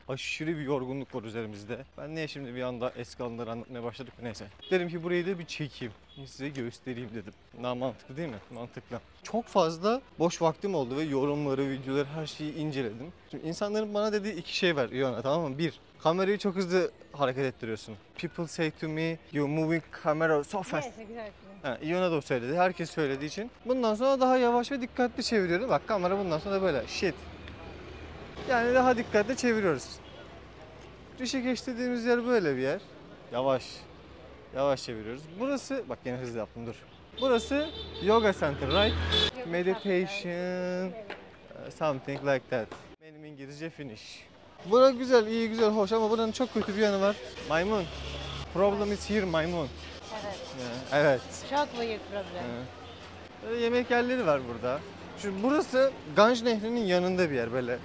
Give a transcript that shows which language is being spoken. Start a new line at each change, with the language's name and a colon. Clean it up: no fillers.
Turkish: Aşırı bir yorgunluk var üzerimizde. Ben niye şimdi bir anda eski anıları anlatmaya başladık? Neyse. Dedim ki burayı da bir çekeyim. Size göstereyim dedim. Daha mantıklı değil mi? Mantıklı. Çok fazla boş vaktim oldu ve yorumları, videoları, her şeyi inceledim. Şimdi insanların bana dediği iki şey var Iona, tamam mı? Bir, kamerayı çok hızlı hareket ettiriyorsun.
English: People say to me, you're moving camera so fast.
Turkish: Iona da o söyledi. Herkes söylediği için. Bundan sonra daha yavaş ve dikkatli çeviriyorum. Bak kamera bundan sonra böyle. Shit. Yani daha dikkatli çeviriyoruz. Rishikesh dediğimiz yer böyle bir yer. Yavaş. Yavaş çeviriyoruz. Burası, bak yine hızlı yaptım dur. Burası
English: yoga center, right? Meditation, something like that.
Turkish: Benim İngilizce finish. Bura güzel, iyi güzel, hoş ama buranın çok kötü bir yanı var.
English: Maymun. Problem is here, maymun.
Turkish: Evet. Evet. Çok büyük problem. Böyle yemek yerleri var burada. Şimdi burası Ganj Nehri'nin yanında bir yer böyle.